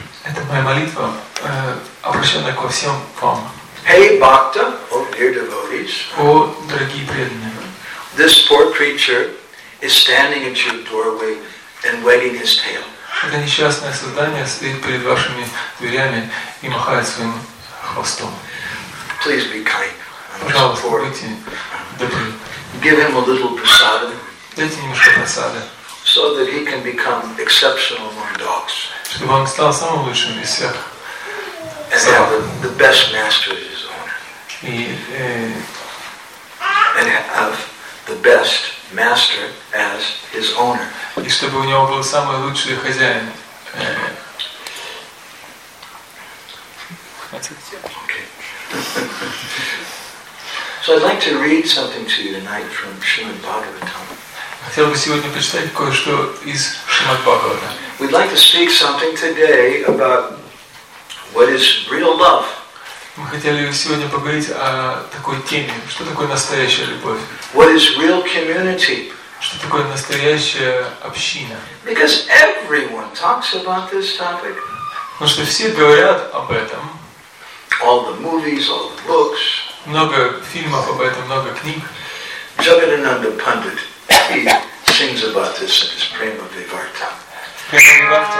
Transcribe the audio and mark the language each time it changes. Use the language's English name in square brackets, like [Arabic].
[Russian] Это моя молитва, обращенная ко всем вам. [English] Hey bhakta, O dear devotees. [Russian] О, дорогие преданные. [English] This poor creature is standing at your doorway and wagging his tail. [Russian] Это несчастное создание стоит перед вашими дверями и махает своим хвостом. [English] Please be kind. [Russian] Пожалуйста, будьте добры. [English] Give him a little prasada. [Russian] Дайте немножко прасады. [English] So that he can become exceptional among dogs. [Russian] Чтобы он стал самым лучшим из всех. [English] And so. Have the best master as his owner. And have the best master as his owner. [Russian] И чтобы у него был самый лучший хозяин. [English] So I'd like to read something to you tonight from Shrimad Bhagavatam. [Russian] Хотел бы сегодня прочитать кое-что из Шримад Бхагаватам. [English] We'd like to speak something today about what is real love. [Russian] Мы хотели сегодня поговорить о такой теме, что такое настоящая любовь. [English] What is real community? [Russian] Что такое настоящая община? [English] Because everyone talks about this topic. [Russian] Потому что все говорят об этом. [English] All the movies, all the books. [Russian] Много фильмов об этом, много книг. [English] Jagadananda Pandit, he sings about this in his Prema Vivarta.